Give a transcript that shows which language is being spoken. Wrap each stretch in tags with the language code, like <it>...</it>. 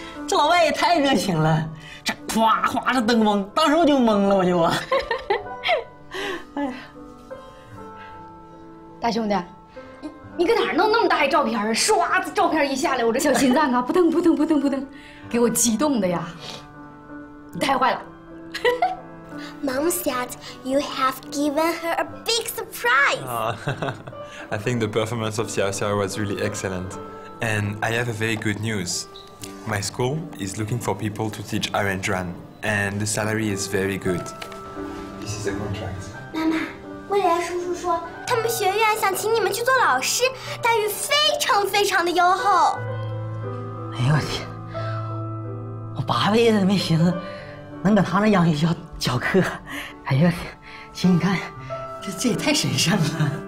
<zh>这老外也太热情了，这哗哗的灯光，当时我就懵了，我就。哎呀，大兄弟，你搁哪儿弄那么大一照片啊？唰，照片一下来，我这小心脏啊，扑腾扑腾扑腾扑腾。给我激动的呀！你太坏了。</zh> <en>Mom said you have given her a big surprise. I think the performance of Xiao Xiao was really excellent, and I have a very good news. My school is looking for people to teach Arendran, and the salary is very good. This is a contract.</en> <zh>妈妈，威廉叔叔说他们学院想请你们去做老师，待遇非常非常的优厚。哎呦我天！我八辈子没寻思能搁他那洋学校教课，哎呀，行，你看，这也太神圣了。</zh>